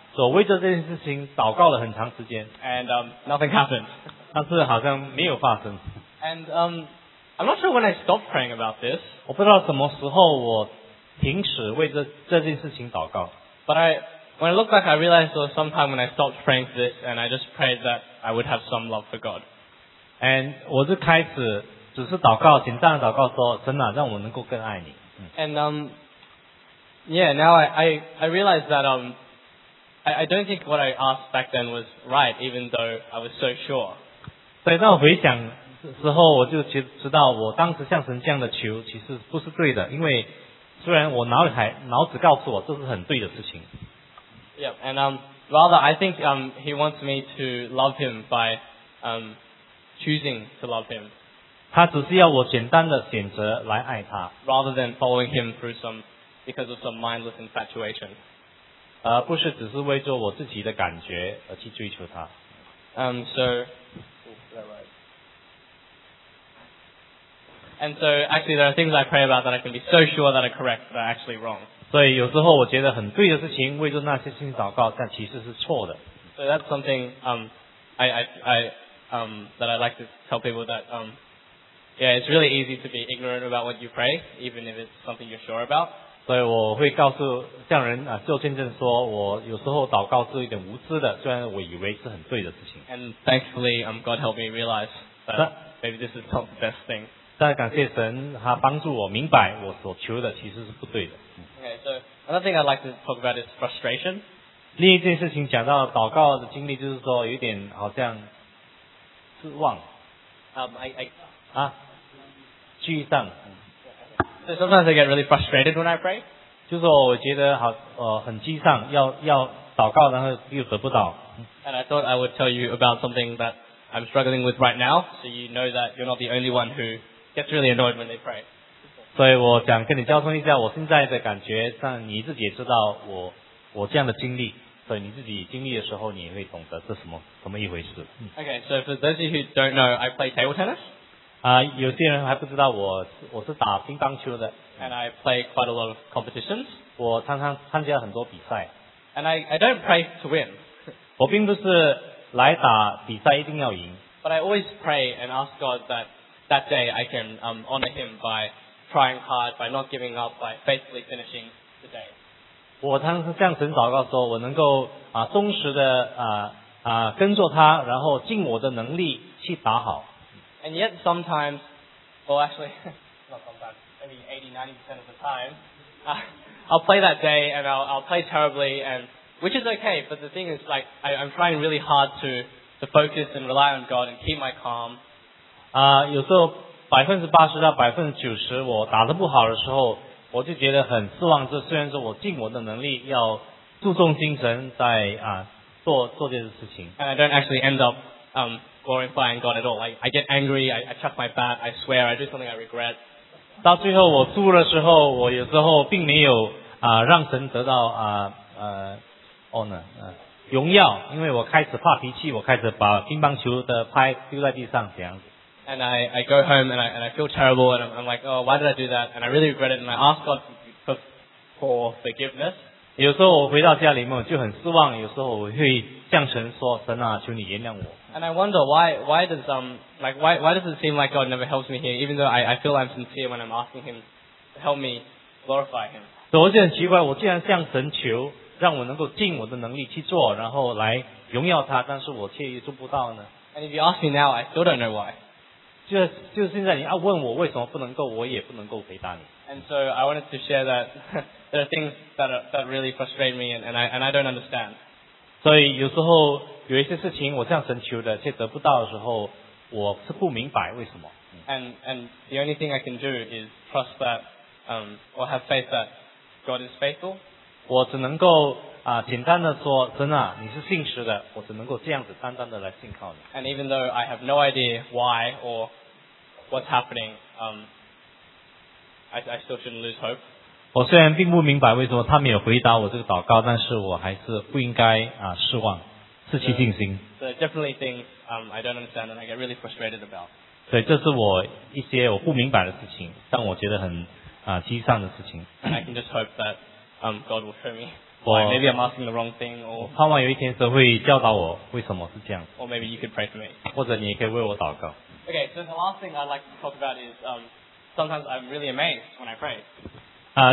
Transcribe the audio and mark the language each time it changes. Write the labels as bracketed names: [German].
[Chinese] 所以为着这件事情祷告了很长时间。 [English] And nothing happened. [Chinese] 但是好像没有发生。 [English] And I'm not sure when I stopped praying about this. [Chinese] 我不知道什么时候我停止为这件事情祷告。 [English] But when I look back, I realized there was some time when I stopped praying for this, and I just prayed that I would have some love for God. [Chinese] And 我就开始只是祷告，简单的祷告说，神啊，让我能够更爱你。 [English] And now I realized that I don't think what I asked back then was right, even though I was so sure. [Chinese] 对，那我回想。之后我就知道我当时向神这样的求其实不是对的，因为虽然我脑子告诉我这是很对的事情。 [English] Yep, and rather I think he wants me to love him by choosing to love him. [Chinese] 他只是要我简单的选择来爱他。 [English] Rather than following him through some, because of some mindless infatuation. [Chinese] 不是只是为着我自己的感觉而去追求他。 [English] And so actually there are things I pray about that I can be so sure that are correct but are actually wrong. [Chinese] 所以有时候我觉得很对的事情为着那些事情祷告但其实是错的。 [English] So that's something that I like to tell people that it's really easy to be ignorant about what you pray even if it's something you're sure about. [Chinese] 所以我会告诉向人做见证说我有时候祷告是一点无知的，虽然我以为是很对的事情。 [English] And thankfully God helped me realize that maybe this is not the best thing. [Chinese] 但感谢神，他帮助我明白我所求的其实是不对的。 [English] Okay, so another thing I'd like to talk about is frustration. [Chinese] 另一件事情讲到祷告的经历，就是说有点好像失望。 [English] I [Chinese] 沮丧。 [English] So sometimes I get really frustrated when I pray. [Chinese] 就是我觉得好很沮丧，要祷告，然后又得不到。 [English] And I thought I would tell you about something that I'm struggling with right now, so you know that you're not the only one who gets really annoyed when they pray. [Chinese] 所以我想跟你交通一下我现在的感觉，但你自己也知道我这样的经历，所以你自己经历的时候你也会懂得这什么一回事。 [English] Okay, so for those of you who don't know, I play table tennis. [Chinese] 有些人还不知道我是打乒乓球的。 [English] And I play quite a lot of competitions. [Chinese] 我常常参加很多比赛。 [English] And I don't pray to win. [Chinese] 我并不是来打比赛一定要赢。 [English] But I always pray and ask God that day I can honor him by trying hard, by not giving up, by faithfully finishing the day. [Chinese] 我常常向神祷告说我能够忠实的跟着他，然后尽我的能力去打好。 [English] And yet sometimes, well actually, not sometimes, maybe 80-90% of the time, I'll play that day and I'll play terribly, and which is okay, but the thing is like, I'm trying really hard to focus and rely on God and keep my calm. [Chinese] 有时候80%-90%我打得不好的时候，我就觉得很失望，这虽然说我尽我的能力要注重精神在做这件事情。 [English] And I don't actually end up glorifying God at all. Like, I get angry, I chuck my bat, I swear, I do something I regret. [Chinese] 到最后我输的时候，我有时候并没有让神得到honor, 荣耀，因为我开始发脾气，我开始把乒乓球的拍丢在地上这样子。 [English] And I go home and I feel terrible and I'm like, oh, why did I do that? And I really regret it and I ask God for forgiveness. [Chinese] 有时候我回到家里面就很失望，有时候我会向神说，神啊，求你原谅我。 [English] And I wonder why does it seem like God never helps me here, even though I feel I'm sincere when I'm asking him to help me glorify him. [Chinese] 所以我就很奇怪，我既然向神求让我能够尽我的能力去做，然后来荣耀他，但是我却又做不到呢。 [English] And if you ask me now, I still don't know why. [Chinese] 就现在你要问我为什么不能够，我也不能够回答你。 [English] And so I wanted to share that there are things that really frustrate me and I don't understand. [Chinese] 所以有时候有一些事情我向神求的却得不到的时候，我是不明白为什么。 [English] And the only thing I can do is trust that or have faith that God is faithful. [Chinese] 我只能够简单的说，神啊，你是信实的，我只能够这样子单单的来信靠你。 [English] And even though I have no idea why or what's happening, I still shouldn't lose hope. [Chinese] 我虽然并不明白为什么他没有回答我这个祷告，但是我还是不应该失望，失去信心。 [English] So definitely things I don't understand and I get really frustrated about. [Chinese] 对，这是我一些我不明白的事情，但我觉得很沮丧的事情。 [English] And I can just hope that God will show me. Why, maybe I'm asking the wrong thing, or [Chinese] 盼望有一天神会教导我为什么是这样。 [English] Or maybe you could pray for me. [Chinese] 或者你也可以为我祷告。 [English] Okay, so the last thing I'd like to talk about is sometimes I'm really amazed when I pray.